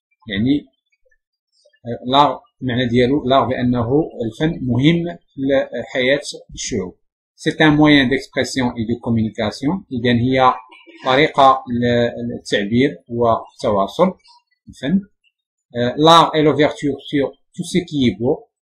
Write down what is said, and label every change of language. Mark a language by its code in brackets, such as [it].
[ar] يعني الار معنى ديالو الار بأنه الفن مهم في الحياة الشعوب. [fr] C'est un moyen d'expression et de communication. [ar] إذن هي طريقة للتعبير والتواصل. [fr] الفن l'art est l'ouverture sur tout ce qui est beau.